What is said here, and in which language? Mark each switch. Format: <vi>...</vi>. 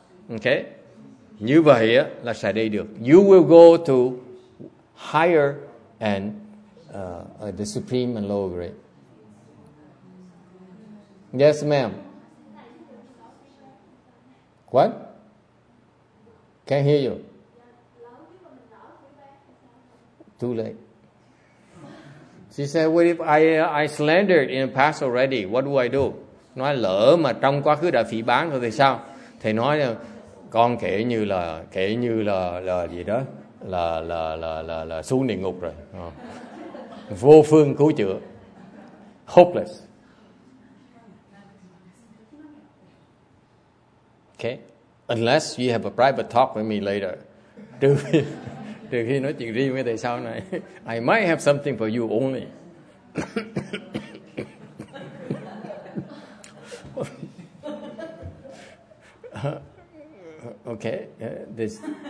<vi>Okay, như vậy á là sẽ đi được.</vi> <en>You will go to higher and the supreme and lower grade. Yes, ma'am. What? Can't hear you. Too late. She said, "What if I slandered in the past already? What do I do?"</en> <vi>Nói lỡ mà trong quá khứ đã phỉ báng rồi thì sao? Thầy nói là con kể như là xuống địa ngục rồi, vô phương cứu chữa, hopeless.</vi> <en>Okay. Unless you have a private talk with me later.</en> <vi>Trừ khi nói chuyện riêng với thầy sau này.</vi> <en>I might have something for you only. Okay. This.</en>